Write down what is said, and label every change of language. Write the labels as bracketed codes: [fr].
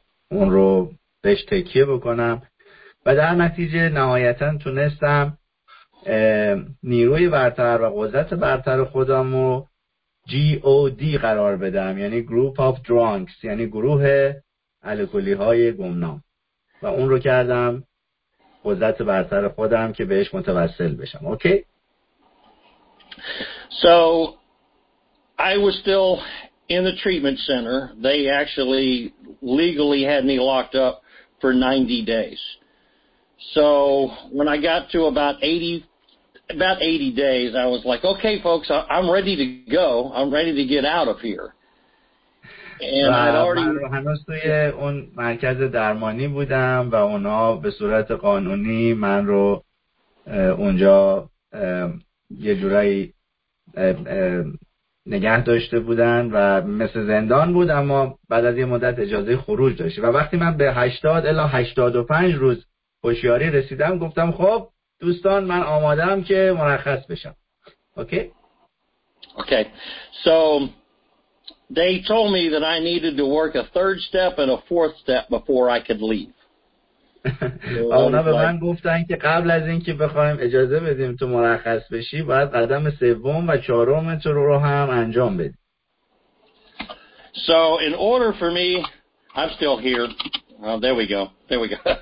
[fa] اون رو بهش تکیه بکنم و در نتیجه نهایتاً تونستم نیروی برتر و قدرت برتر خودم رو GOD قرار بدم، یعنی [en] Group of Drunks، [fa] یعنی گروه الکلی های گمنام، و اون رو کردم قدرت برتر خودم که بهش متوسل بشم. اوکی؟ [en] So I was still in the treatment center. They actually legally had me locked up for 90 days. So when I got to about 80 days, I was like, okay, folks, I'm ready to go. I'm ready to get out of here. And I'd already... [fa] من هنوز توی اون مرکز درمانی بودم و اونا به صورت قانونی من رو اونجا یه جورایی نگه داشته بودن و مثل زندان بود، اما بعد از یه مدت اجازه خروج داشتی. و وقتی من به 80 الی 85 روز هوشیاری رسیدم، گفتم خب دوستان من آمادم که مرخص بشم. اوکی؟ اوکی. [en] So they told me that I needed to work a third step and a fourth step before I could leave. [fa] اونا به من گفتن که قبل از اینکه بخوایم اجازه بدیم تو مرخص بشی، باید قدم سوم و چهارم تو رو هم انجام بدی. [en] So in order for me, I'm still here. There we go. There we go.